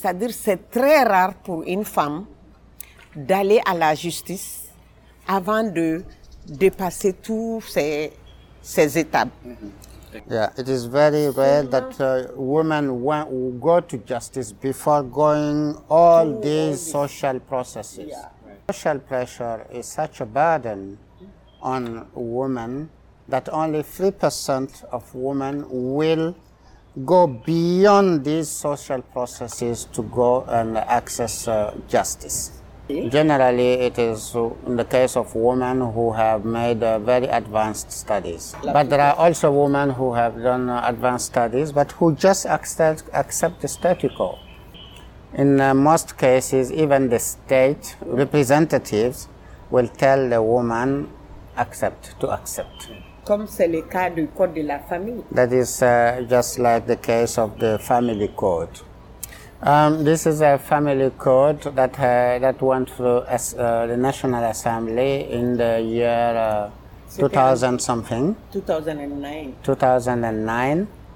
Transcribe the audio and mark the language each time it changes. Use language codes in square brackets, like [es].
[fr] C'est très rare pour une femme d'aller à la justice avant de dépasser toutes ces étapes. [en] Yeah, it is very rare that women will go to justice before going all these social processes. Yeah. Social pressure is such a burden on women that only 3% of women will go beyond these social processes to go and access justice. Generally, it is in the case of women who have made very advanced studies. But there are also women who have done advanced studies but who just accept the statu quo. In most cases, even the state representatives will tell the woman to accept. [fr] Comme c'est le cas du code de la famille. [en] That is just like the case of the family code. This is a family code that went through the National Assembly in the year 2000-something. 2009.